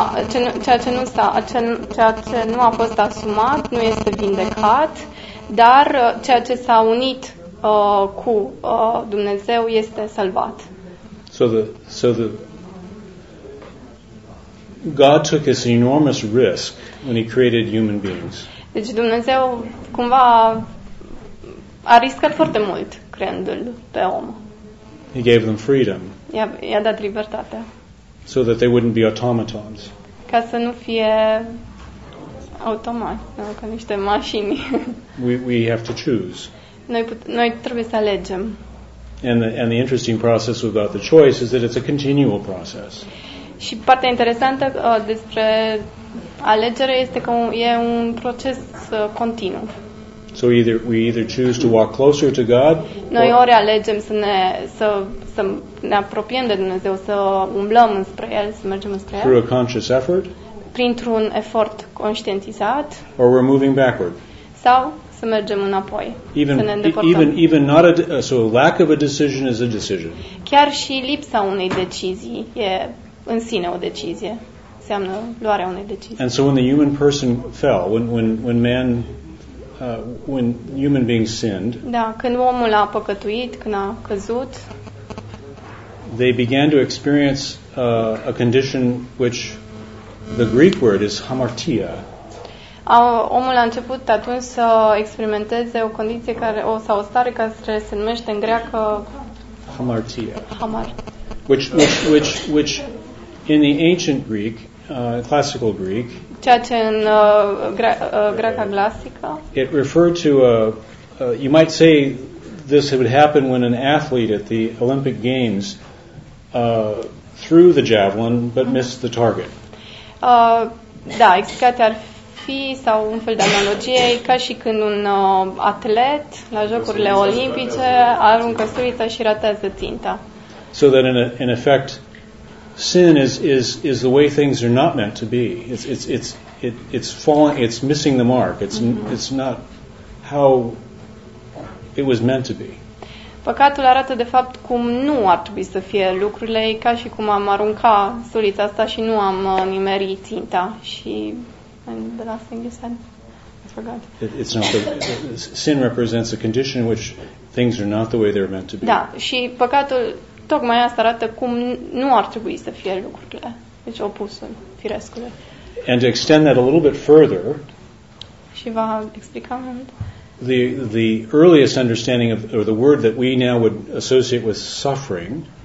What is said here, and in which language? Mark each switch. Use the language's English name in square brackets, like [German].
[Romanian] Ceea ce nu a fost asumat nu este vindecat, dar ceea ce s-a unit cu Dumnezeu este salvat. [English] So the God took this enormous risk when he created human beings. [Romanian] Deci Dumnezeu cumva a riscat foarte mult creându-l pe om. [English] He gave them freedom. [Romanian] I-a dat libertatea. [English] So that they wouldn't be automatons. [Romanian] Ca să nu fie automat, ca niște mașini. [English] We have to choose. [Romanian] Noi trebuie să alegem. [English] And the interesting process about the choice is that it's a continual process. [Romanian] Și partea interesantă despre alegere este că e un proces continuu. [English] So either we either choose to walk closer to God. [Romanian] Noi ori alegem să ne apropiem de Dumnezeu, să umblăm înspre El, să mergem înspre El. [English] Through a conscious effort. [Romanian] Printr-un efort conștientizat. [English] Or we're moving backward. [Romanian] Sau să mergem înapoi. [English] Even [Romanian] să ne îndepărtăm. [English] even not a so a lack of a decision is a decision. [Romanian] Chiar și lipsa unei decizii e în sine o decizie. Înseamnă luarea unei decizii. [English] And so when the human person fell, when man when human beings sinned. [Romanian] Da, când omul a păcătuit, când a căzut. [English] They began to experience a condition which the Greek word is hamartia. [Romanian] Omul a început atunci să experimenteze o condiție care o sau o stare care se numește în greacă hamartia. Hamar. [English] Which in the ancient Greek, classical Greek, [Romanian] ceea ce în greaca clasică, [English] it referred to you might say this would happen when an athlete at the Olympic Games threw the javelin but missed the target. [Romanian] Da, explicația ar fi sau un fel de analogie ca și când un atlet la Jocurile Olimpice aruncă sturița și ratează ținta. [English] So that in effect sin is the way things are not meant to be. It's falling, it's missing the mark. It's not how it was meant to be. [Romanian] Păcatul arată de fapt cum nu ar trebui să fie lucrurile, ca și cum am arunca sulița asta și nu am nimerit ținta. Și [English] and the last thing you said, I forgot. It's not sin represents a condition in which things are not the way they're meant to be. [Romanian] Da, și păcatul tocmai asta arată cum nu ar trebui să fie lucrurile. Deci opusul firescului. [English] And to extend that a little bit further. [Romanian] Și va explica mai mult. [English] The earliest understanding of or the word that we now would associate with suffering.